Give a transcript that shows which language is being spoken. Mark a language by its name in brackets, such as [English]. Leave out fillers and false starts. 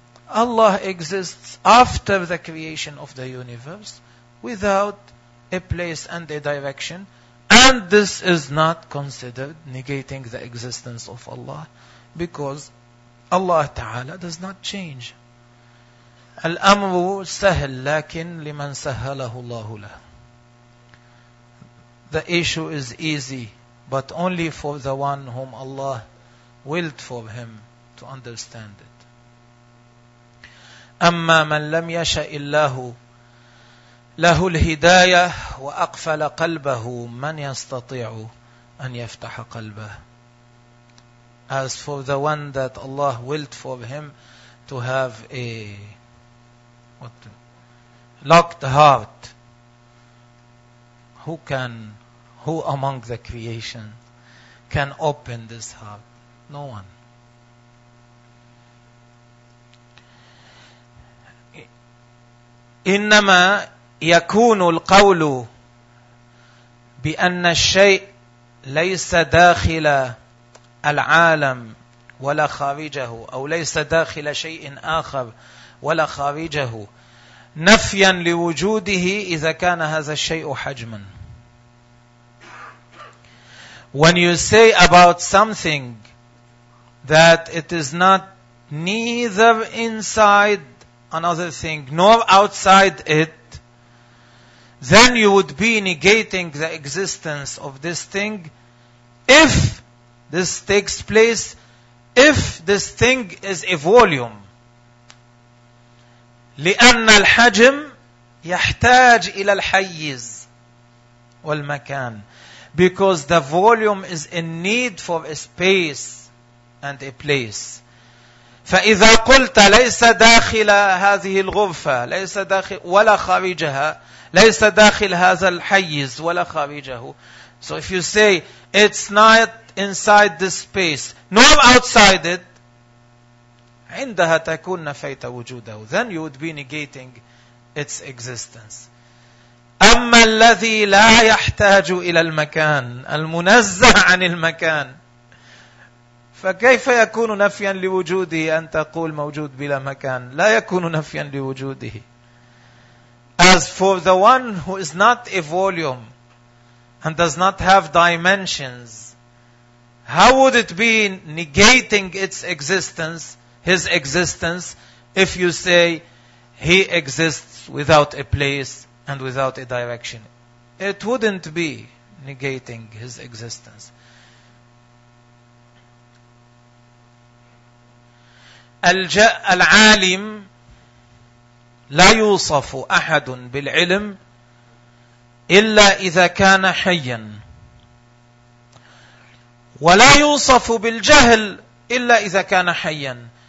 [English] Allah exists after the creation of the universe without a place and a direction, and this is not considered negating the existence of Allah, because Allah Ta'ala does not change. [Arabic] الأمر سهل لكن لمن سهله الله له. [English] The issue is easy, but only for the one whom Allah willed for him to understand it. [Arabic] أما من لم يشأ الله له الهداية وأقفل قلبه من يستطيع أن يفتح قلبه. [English] As for the one that Allah willed for him to have a locked heart, who can Who among the creation can open this heart? No one. [Arabic] إنما يكون القول بأن الشيء ليس داخل العالم ولا خارجه أو ليس داخل شيء آخر ولا خارجه نفيا لوجوده إذا كان هذا الشيء حجما. [English] When you say about something that it is not neither inside another thing nor outside it, then you would be negating the existence of this thing if this takes place, if this thing is a volume. [Arabic] لأن الحجم يحتاج إلى الحيز والمكان. [English] Because the volume is in need for a space and a place. [Arabic] فإذا قلت ليس داخل هذه الغرفة ليس داخل ولا خارجها ليس داخل هذا الحيز ولا خارجه. [English] So if you say it's not inside this space nor outside it, [Arabic] عندها تكون نفيت وجوده. [English] Then you would be negating its existence. [Arabic] أما الذي لا يحتاج إلى المكان المنزه عن المكان فكيف يكون نفيا لوجوده أن تقول موجود بلا مكان؟ لا يكون نفيا لوجوده. [English] As for the one who is not a volume and does not have dimensions, how would it be negating its existence, his existence, if you say he exists without a place and without a direction? It wouldn't be negating his existence. [Arabic] العالم لا يوصف أحد بالعلم إلا إذا كان حيا ولا يوصف بالجهل إلا إذا كان حيا.